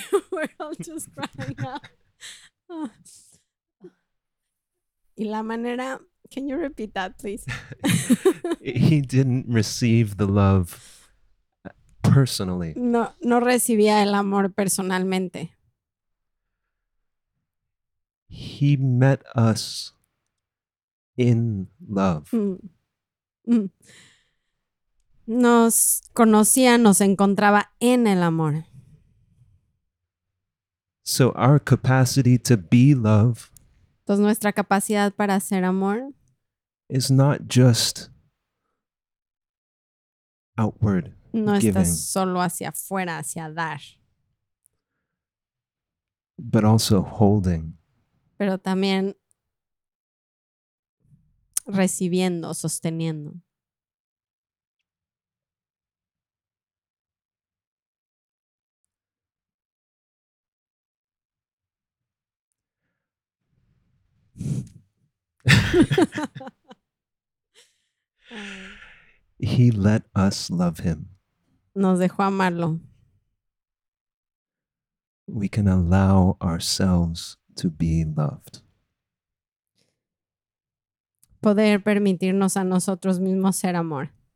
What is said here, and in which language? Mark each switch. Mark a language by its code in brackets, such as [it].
[en] We're all just crying out. [es] Y la manera, [en] can you repeat that, please? He didn't receive the love personally. [es] No recibía el amor personalmente. [en] He met us in love. [es] Nos conocía, nos encontraba en el amor. [en] So our capacity to be love. [es] Entonces nuestra capacidad para ser amor [en] is not just outward. [es] No está solo hacia afuera, hacia dar. [en] But also holding. [es] Pero también recibiendo, sosteniendo. [en] He let us love him. [es] Nos dejó amarlo. [en] We can allow ourselves to be loved. [es] Poder permitirnos a nosotros mismos ser amor.